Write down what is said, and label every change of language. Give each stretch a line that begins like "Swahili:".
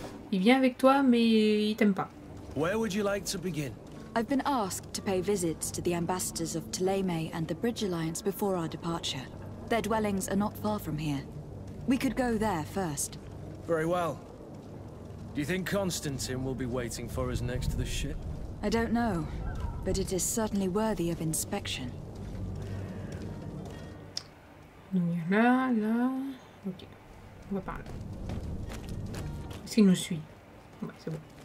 French: Il vient avec toi, mais il t'aime pas.
English: Where would you like to begin? I've been asked to pay visits to the ambassadors of Teleme and the Bridge Alliance before our departure. Their dwellings are not far from here. We could go there first. Very well. Do you think Constantine will be waiting for us next to the ship? I don't know, but it is certainly worthy of inspection.
French: Là, là. Ok. On va parler. Est-ce qu'il nous suit? Ouais, c'est bon.